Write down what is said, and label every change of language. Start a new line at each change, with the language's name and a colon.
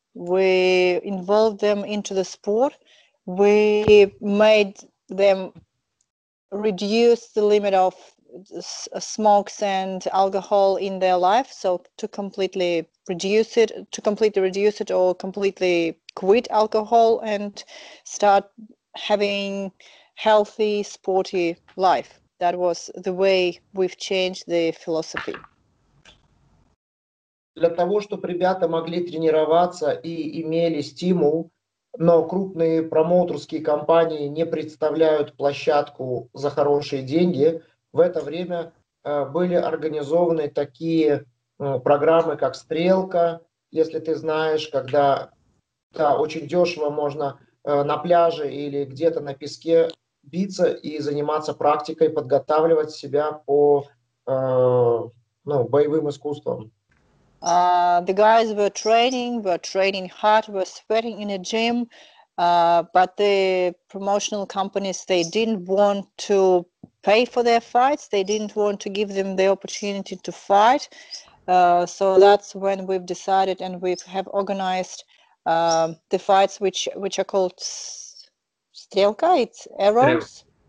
English: We involved them into the sport. We made them reduce the limit of smokes and alcohol in their life. So to completely reduce it or completely quit alcohol and start having healthy, sporty life. That was the way we've changed the philosophy.
Russian: Для того, чтобы ребята могли тренироваться и имели стимул, но крупные промоутерские компании не представляют площадку за хорошие деньги, в это время были организованы такие программы, как «Стрелка», если ты знаешь, когда Да, очень дешево можно на пляже или где-то на песке биться и заниматься практикой, подготавливать себя по боевым искусствам.
English: The guys were training hard, were sweating in a gym, but the promotional companies, they didn't want to pay for their fights, they didn't want to give them the opportunity to fight. So that's when we've decided and we have organized the fights, which are called Strelka, it's arrows.